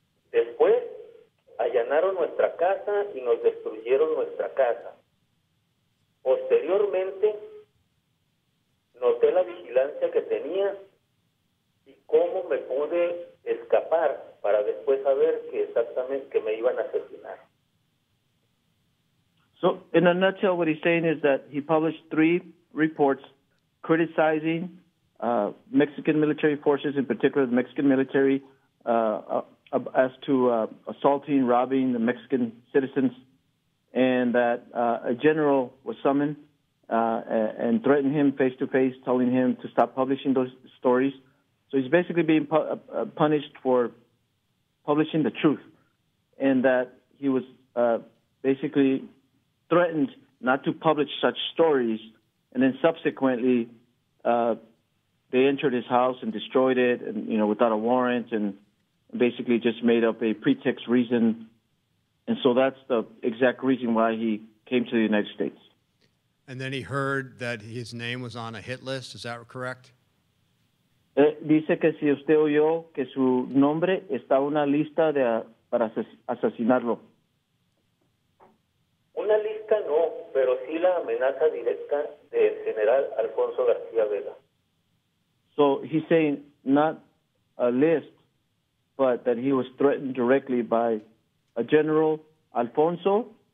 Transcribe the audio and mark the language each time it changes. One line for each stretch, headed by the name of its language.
Spanish: Después, allanaron nuestra casa y nos destruyeron nuestra casa. Posteriormente, noté la vigilancia que tenía y cómo me pude escapar para después saber que exactamente que me iban a asesinar.
English: So, in a nutshell, what he's saying is that he published three reports criticizing Mexican military forces, in particular the Mexican military, as to assaulting, robbing the Mexican citizens, and that a general was summoned and threatened him face-to-face, telling him to stop publishing those stories. So he's basically being punished for publishing the truth, and that he was basically threatened not to publish such stories, and then subsequently they entered his house and destroyed it, and you know, without a warrant, and basically just made up a pretext reason. And so that's the exact reason why he came to the United States. And then he heard that his name was on a hit list. Is that correct?
Spanish: Dice que si usted oyó que su nombre está en una lista de para asesinarlo. Una lista no, pero sí la amenaza directa del general Alfonso García Vega.
English: So he's saying not a list, but that he was threatened directly by a general, Alfonso